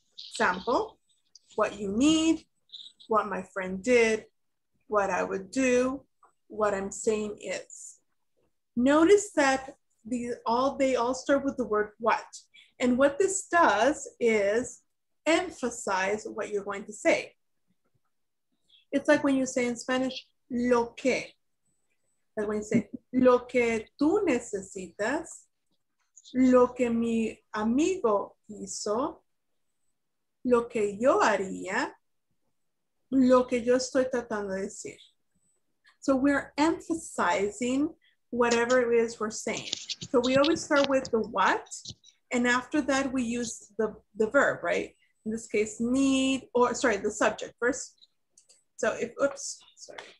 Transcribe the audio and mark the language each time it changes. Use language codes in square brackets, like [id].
[en] Example, what you need, what my friend did, what I would do, what I'm saying is. Notice that they all start with the word what. And what this does is emphasize what you're going to say. It's like when you say in Spanish, [es] lo que. [en] Wednesday. [es] Lo que tú necesitas, lo que mi amigo hizo, lo que yo haría, lo que yo estoy tratando de decir. [en] So we're emphasizing whatever it is we're saying. So we always start with the what, and after that we use the verb, right? In this case, need, or sorry, the subject first. So if, oops, sorry.